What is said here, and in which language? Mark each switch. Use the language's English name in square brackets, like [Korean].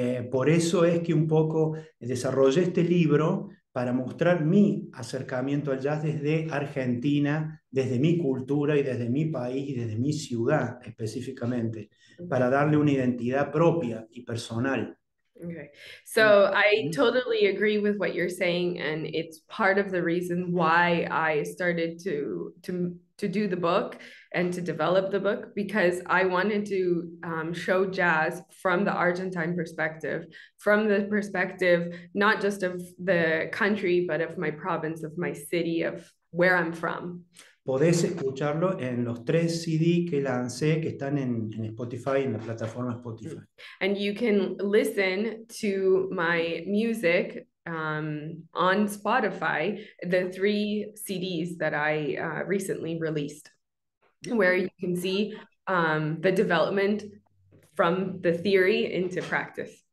[Spanish] Por eso es que un poco desarrollé este libro para mostrar mi acercamiento al jazz desde Argentina, desde mi cultura y desde mi país y desde mi ciudad específicamente, para darle una identidad propia y personal. [English] Okay, so I totally agree with what you're saying, and it's part of the reason why I started to do the book and to develop the book, because I wanted to show jazz from the Argentine perspective, from the perspective not just of the country, but of my province, of my city, of where I'm from. [Spanish] Podés escucharlo en los tres CD que lancé, que están en Spotify, en la plataforma Spotify. [English] And you can listen to my music on Spotify, the three CDs that I recently released, where you can see the development from the theory into practice.